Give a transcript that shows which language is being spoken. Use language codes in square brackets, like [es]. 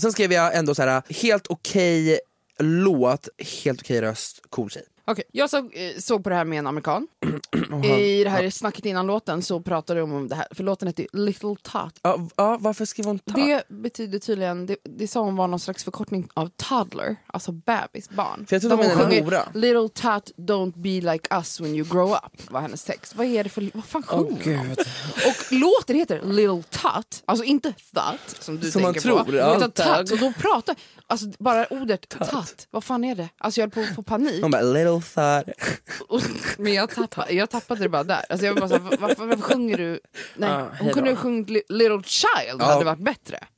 [sv] Sen skrev jag ändå så här helt okej låt, helt okej röst, cool tjej. Okej, okay. Jag såg på det här med en amerikan. I det här snacket innan låten så pratade de om det här. För låten heter Little Tot. Varför skriver hon Tot? Det betyder tydligen, det sa hon var någon slags förkortning av toddler. Alltså bebis, barn. För jag tror de sjunger Nora. [en] Little Tot, don't be like us when you grow up. [sv] Var hennes text. Vad är det för, vad fan sjunger hon? Gud. Och låten heter Little Tot. Alltså inte Thot, som du som tänker tror på. Som man tror, och då pratar, alltså bara ordet Tot. Vad fan är det? Alltså jag höll på att få panik. Hon bara, little Thot. Men jag tappade det bara där. Alltså jag bara så, varför sjunger du? Nej, hon kunde ha sjungit Little Child, hade varit bättre.